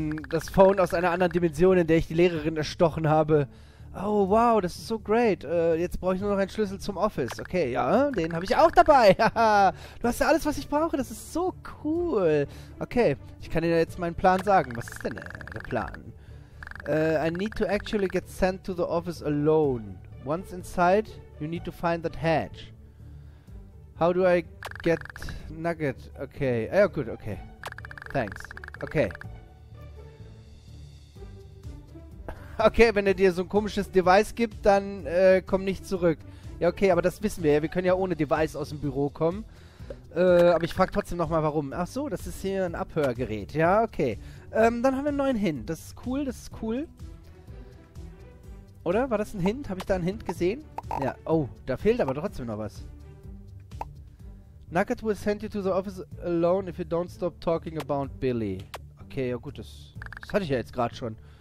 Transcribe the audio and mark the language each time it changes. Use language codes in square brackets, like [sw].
[de] Das Phone aus einer anderen Dimension, in der ich die Lehrerin erstochen habe. Oh, wow, das ist [en] so great. [de] Jetzt brauche ich nur noch einen Schlüssel zum Office. Okay, ja, den habe ich auch dabei. Du hast ja alles, was ich brauche. Das ist so cool. Okay, ich kann dir jetzt meinen Plan sagen. Was ist denn der Plan? [en] I need to actually get sent to the office alone. Once inside, you need to find that hatch. How do I get Nugget? Okay. Oh, good. Okay. Thanks. Okay. [de] Okay, wenn er dir so ein komisches Device gibt, dann komm nicht zurück. Ja, okay, aber das wissen wir ja. Wir können ja ohne Device aus dem Büro kommen. Aber ich frag trotzdem nochmal, warum. Ach so, das ist hier ein Abhörgerät. Ja, okay. Dann haben wir einen neuen Hint. Das ist cool, das ist cool. Oder? War das ein Hint? Habe ich da einen Hint gesehen? Ja. Oh, da fehlt aber trotzdem noch was. [en] Nugget will send you to the office alone if you don't stop talking about Billy. [de] Okay, ja gut, das hatte ich ja jetzt gerade schon.